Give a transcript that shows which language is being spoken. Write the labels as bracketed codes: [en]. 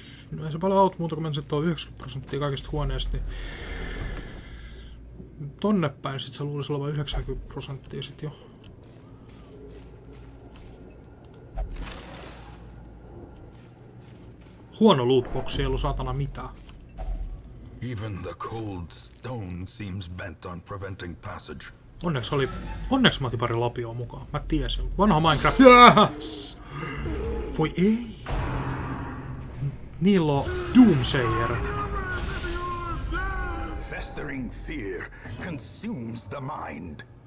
[fi] No ei se paljon auta muuta, kun mennä sitten tuo 90% kaikista huoneista, niin... Tonne päin sitten se luulisi olevan 90% sitten jo. Huono lootboxi, ei ollut saatana mitään. [en] Even the cold stone seems bent on preventing passage. [fi] Onneksi oli... Onneksi mä otin pari lapioa mukaan. Mä tiesin. Vanha Minecraft. Yes! Voi ei! Niillä on Doomsayer. [en] Festering fear consumes the mind.